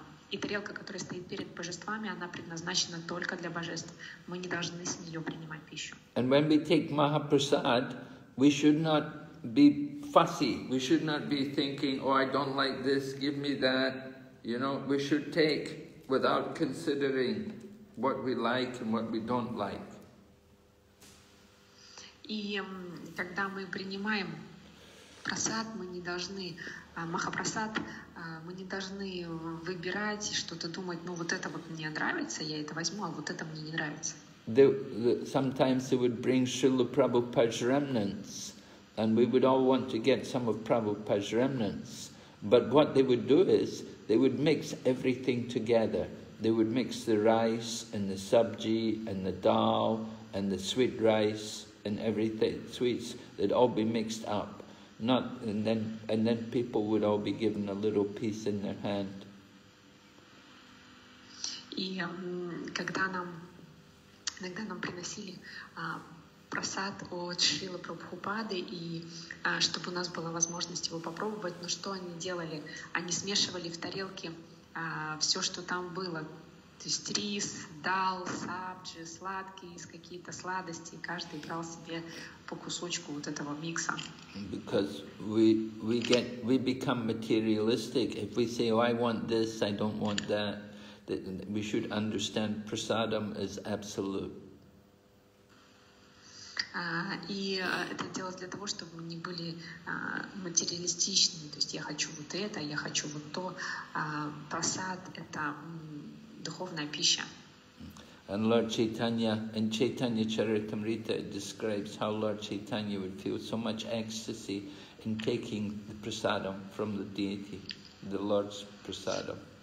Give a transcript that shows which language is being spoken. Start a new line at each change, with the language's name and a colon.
Russian: И тарелка, которая стоит перед божествами, она предназначена только для божеств. Мы не должны с нее принимать пищу.
English: And when we take Mahaprasad, we should not be fussy. We should not be thinking, oh, I don't like this, give me that. You know, we should take without considering what we like and what we don't like.
Russian: И когда мы принимаем Прасад, мы не должны, Махапрасад, мы не должны выбирать и что-то думать, ну вот это вот мне нравится, я это возьму, а вот это мне не нравится.
English: Sometimes they would bring Srila Prabhupada's remnants, and we would all want to get some of Prabhupada's remnants. But what they would do is, they would mix everything together. They would mix the rice and the sabji and the dal and the sweet rice and everything, sweets, they'd all be mixed up. And then people would all be given a little piece in their hand.
Russian: И когда нам иногда нам приносили просад от Шрилы Прабхупады, и чтобы у нас была возможность его попробовать, но что они делали? Они смешивали в тарелке все, что там было. То есть рис, дал, сабджи, сладкие, какие-то сладости. Каждый брал себе по кусочку вот этого микса.
English: Because we become materialistic. If we say, oh, I want this, I don't want that, we should understand prasadam is absolute.
Russian: И это делать для того, чтобы мы не были материалистичны. То есть я хочу вот это, я хочу вот то. Прасад — это духовная пища.
English: And Lord Chaitanya, in Chaitanya Charitamrita, it describes how Lord Chaitanya would feel so much ecstasy in taking the prasadam from the deity, the Lord's prasadam.